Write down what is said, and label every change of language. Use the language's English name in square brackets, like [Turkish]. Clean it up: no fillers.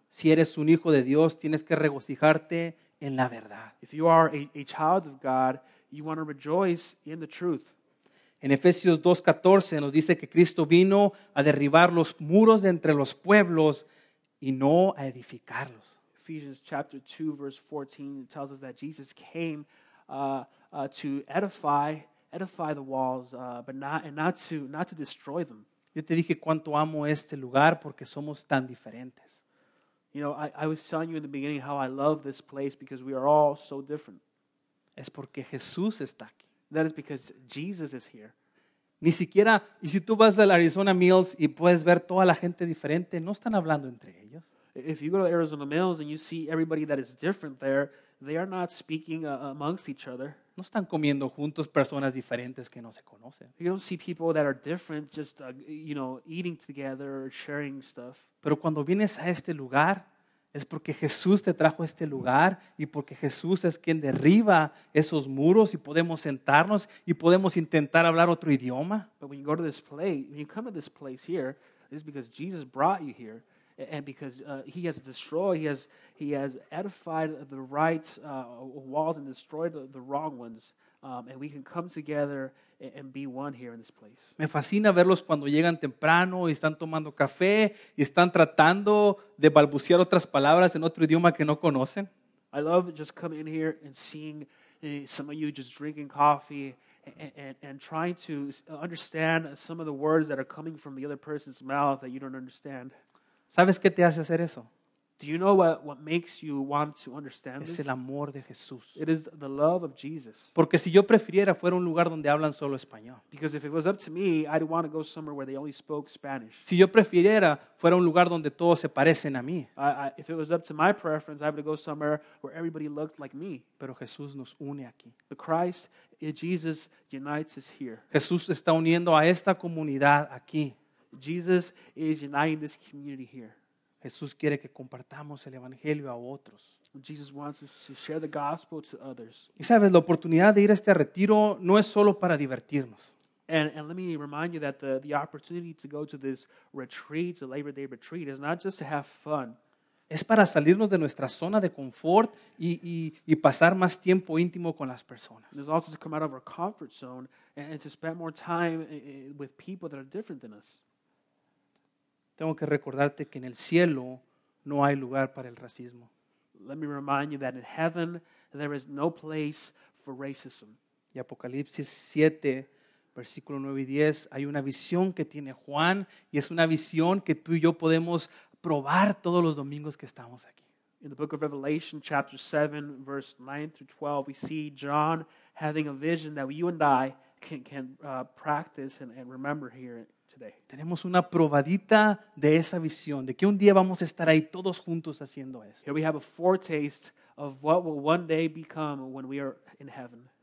[Spanish] Si eres un hijo de Dios, tienes que regocijarte en la verdad. [English] If you are a child of God, you want to rejoice in the truth. [Spanish] En Efesios 2:14 nos dice que Cristo vino a derribar los muros de entre los pueblos y no a edificarlos. [English] Ephesians chapter 2 verse 14 tells us that Jesus came to edify the walls, but not to destroy them. [Spanish] Yo te dije cuánto amo este lugar porque somos tan diferentes. [English] You know, I was telling you in the beginning how I love this place because we are all so different. [Spanish] Es porque Jesús está aquí. [English] That is because Jesus is here. [Spanish] Ni siquiera, y si tú vas al Arizona Mills y puedes ver toda la gente diferente, no están hablando entre ellos. [English] If you go to Arizona Mills and you see everybody that is different there, they are not speaking amongst each other. [Spanish] No están comiendo juntos personas diferentes que no se conocen. [English] You don't see people that are different just, you know, eating together or sharing stuff. [Spanish] Pero cuando vienes a este lugar, es porque Jesús te trajo a este lugar y porque Jesús es quien derriba esos muros y podemos sentarnos y podemos intentar hablar otro idioma. [English] But when you go to this place, when you come to this place here, it's because Jesus brought you here. And because he has destroyed, he has edified the right walls and destroyed the wrong ones. And we can come together and be one here in this place. [Spanish] Me fascina verlos cuando llegan temprano y están tomando café y están tratando de balbucear otras palabras en otro idioma que no conocen. [English] I love just coming in here and seeing some of you just drinking coffee and trying to understand some of the words that are coming from the other person's mouth that you don't understand. [Spanish] ¿Sabes qué te hace hacer eso? [English] Do you know what makes you want to understand this? [Spanish] Es el amor de Jesús. [English] It is the love of Jesus. [Spanish] Porque si yo prefiriera fuera un lugar donde hablan solo español. [English] Because if it was up to me, I'd want to go somewhere where they only spoke Spanish. [Spanish] Si yo prefiriera fuera un lugar donde todos se parecen a mí. [English] If it was up to my preference, I would go somewhere where everybody looked like me. [Spanish] Pero Jesús nos une aquí. [English] But Christ, Jesus unites us here. [Spanish] Jesús está uniendo a esta comunidad aquí. [English] Jesus is uniting this community here. [Spanish] Jesús quiere que compartamos el evangelio a otros. [English] Jesus wants us to share the gospel to others. [Spanish] Y sabes, la oportunidad de ir a este retiro no es solo para divertirnos. [English] And let me remind you that the opportunity to go to this retreat, the Labor Day retreat, is not just to have fun. [Spanish] Es para salirnos de nuestra zona de confort y pasar más tiempo íntimo con las personas. [English] It's also to come out of our comfort zone and to spend more time with people that are different than us. [Spanish] Tengo que recordarte que en el cielo no hay lugar para el racismo. [English] Let me remind you that in heaven there is no place for racism. [Spanish] Y Apocalipsis 7, versículo 9 y 10, hay una visión que tiene Juan y es una visión que tú y yo podemos probar todos los domingos que estamos aquí. [English] In the book of Revelation, chapter 7, verse 9 through 12, we see John having a vision that you and I can practice and remember here today. [Spanish] Tenemos una probadita de esa visión, de que un día vamos a estar ahí todos juntos haciendo esto. [English] Here we have a foretaste of what will one day become when we are in heaven.